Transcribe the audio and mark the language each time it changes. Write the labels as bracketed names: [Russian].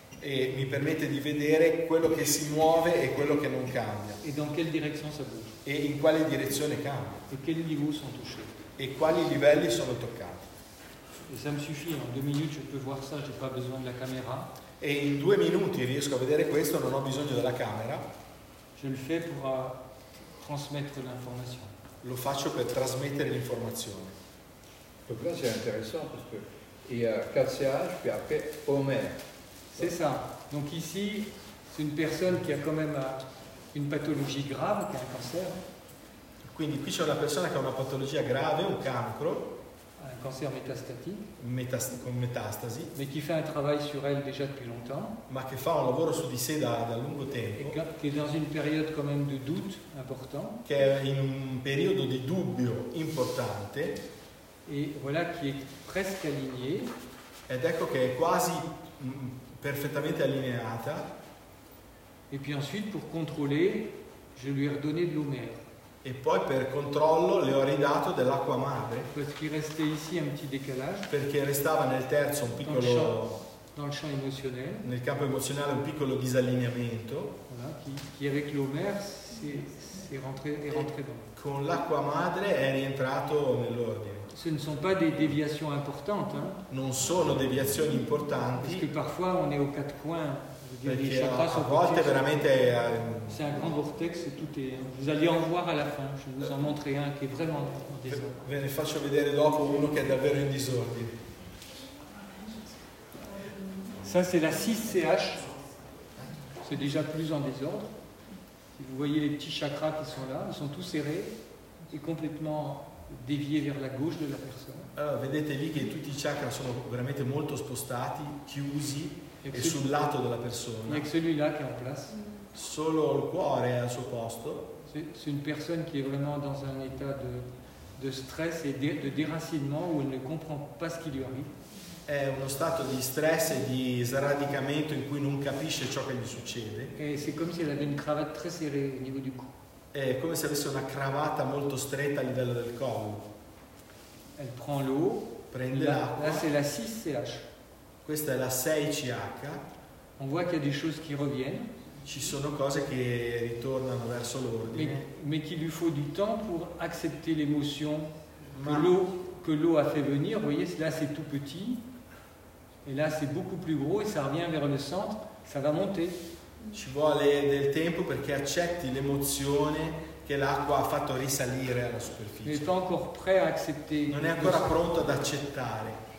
[Italian] E mi permette di vedere quello che si muove e quello che non cambia. [French] Et dans quelle direction ça bouge. [Italian] E in quale direzione cambia. [French] Et quels niveaux sont touchés. [Italian] E quali livelli sono toccati. [French] Et ça me suffit, en deux minutes je peux voir ça, j'ai pas besoin de la caméra. [Italian] E in due minuti riesco a vedere questo, non ho bisogno della camera. [French] Je le fais pour transmettre l'information. [Italian] Lo faccio per trasmettere l'informazione. [French] Donc là c'est intéressant parce que il y a 4 CH puis après Homer. C'est ça. Donc ici c'est une personne qui a quand même une pathologie grave, qui a un cancer. [Italian] Quindi qui c'è una persona che ha una patologia grave, un cancro. [French] Un cancer métastatique. [Italian] Con metastasi. [French] Mais qui fait un travail sur elle déjà depuis longtemps. [Italian] Ma che fa un lavoro su di sé da lungo tempo. [French] Et qui est dans une période quand même de doute important. [Italian] Che è in un periodo di dubbio importante. [French] Et voilà qui est presque aligné. [Italian] Ed ecco che è quasi perfettamente allineata. [French] Et puis ensuite, pour contrôler, je lui ai redonné de l'eau mère. [Italian] E poi per controllo le ho ridato dell'acqua madre. [French] Parce qu'il restait ici un petit décalage. [Italian] Perché restava nel terzo un piccolo. [French] Dans le champ émotionnel. [Italian] Nel campo emozionale un piccolo disallineamento. [French] Voilà, qui avec l'eau mère est rentré dans. [Italian] Con l'acqua madre è rientrato nell'ordine. [French] Ce ne sont pas des déviations importantes. Hein. [Italian] Non sono deviazioni importanti. [French] Parce que parfois on est aux quatre coins. [Italian] A volte veramente. [French] C'est un grand vortex. Tout est. Vous allez en voir à la fin. Je vous en montrerai un qui est vraiment en désordre. [Italian] Ve ne faccio vedere dopo uno che è davvero in disordine. [French] Ça c'est la 6CH. C'est déjà plus en désordre. Si vous voyez les petits chakras qui sont là, ils sont tous serrés et complètement. Dévié vers la gauche de la personne. [Italian] Allora, vedete lì che tutti i chakra sono veramente molto spostati, chiusi e sul lato della persona. [French] Il celui-là qui est en place. [Italian] Solo il cuore è al suo posto. [French] C'est une personne qui est vraiment dans un état de stress et de déracinement où elle ne comprend pas ce qui lui arrive. [Italian] È uno stato di stress e di sradicamento in cui non capisce ciò che gli succede. [French] Et c'est comme si elle avait une cravate très serrée au niveau du cou. [Italian] È come se avesse una cravatta molto stretta a livello del collo. [French] Elle prend l'eau, [Italian] prende l'acqua. [French] Là, c'est la 6CH. [Italian] Questa è la 6CH. [French] On voit qu'il y a des choses qui reviennent. [Italian] Ci sono cose che ritornano verso l'ordine. [French] Mais qu'il lui faut du temps pour accepter l'émotion que l'eau a fait venir. Vous voyez, là c'est tout petit. Et là c'est beaucoup plus gros et ça revient vers le centre. Ça va monter. [Italian] Ci vuole del tempo perché accetti l'emozione che l'acqua ha fatto risalire alla superficie. Non è ancora pronto ad accettare. Non è ancora pronto ad accettare.